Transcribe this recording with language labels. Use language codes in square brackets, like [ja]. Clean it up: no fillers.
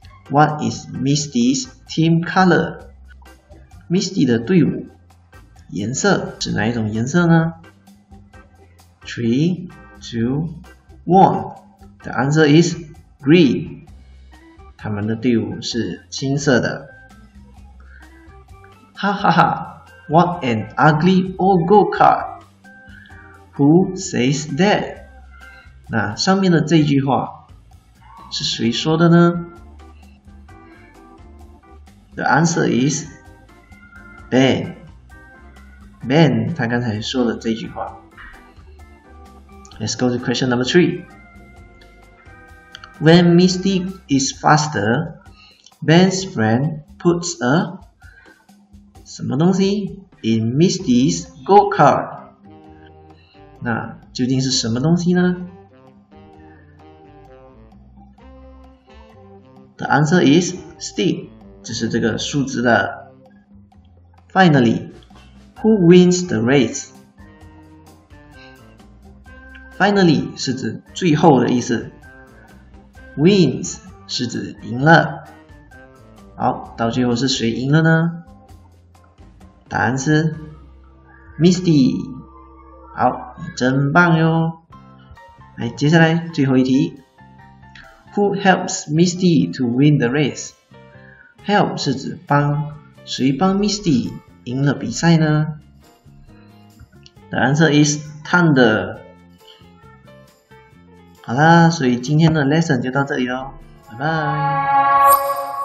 [en] What is Misty's team color? [zh] Misty 的队伍颜色是哪一种颜色呢？ [en] 3, 2, 1. The answer is green. [zh] 他们的队伍是青色的。 [en] 哈哈哈， What an ugly old go-kart. Who says that? [zh] 那上面的这句话是谁说的呢？ [en] The answer is Ben. [zh] Ben 他刚才说的这句话。 [en] Let's go to question number 3. When Misty is faster, Ben's friend puts a [zh] 什么东西 [en] in Misty's go-kart. [zh] 那究竟是什么东西呢？ [en] The answer is stick. [zh] 这是这个数字的。 [en] Finally,Who wins the race? [zh] Finally 是指最后的意思。 Wins 是指赢了。好，到最后是谁赢了呢？答案是 Misty。好，真棒哟。来，接下来最后一题。 [en] Who helps Misty to win the race? [zh] Help 是指帮，谁帮 Misty 赢了比赛呢？ [en] The answer is thunder. [zh] 好啦，所以今天的 lesson 就到这里咯，拜拜。